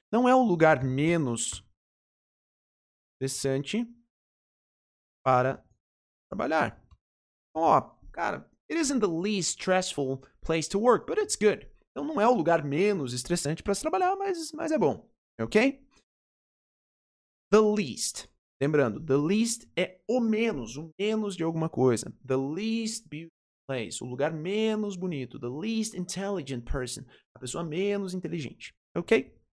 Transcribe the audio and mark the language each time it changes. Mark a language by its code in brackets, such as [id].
[pt] Não é o lugar menos estressante para trabalhar. [en] Ó, cara, it isn't the least stressful place to work, but it's good. [pt] Então, não é o lugar menos estressante para se trabalhar, mas é bom. Ok? The least. Lembrando, the least é o menos de alguma coisa. [en] The least beautiful place. [pt] O lugar menos bonito. [en] The least intelligent person. [pt] A pessoa menos inteligente. Ok?